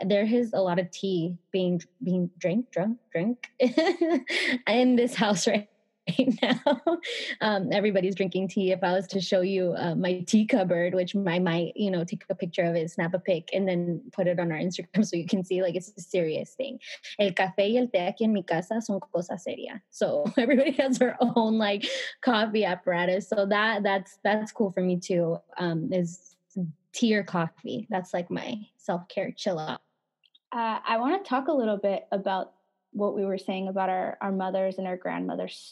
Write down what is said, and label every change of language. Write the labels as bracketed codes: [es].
[en] There is a lot of tea being drunk in this house right now. Everybody's drinking tea. If I was to show you my tea cupboard, which I might, you know, take a picture of it, snap a pic, and then put it on our Instagram so you can see, like, it's a serious thing. [es] El café y el té aquí en mi casa son cosa seria. [en] So everybody has their own like coffee apparatus. So that's cool for me too. Is tea or coffee. That's like my self-care chill out. I want to talk a little bit about what we were saying about our mothers and our grandmothers.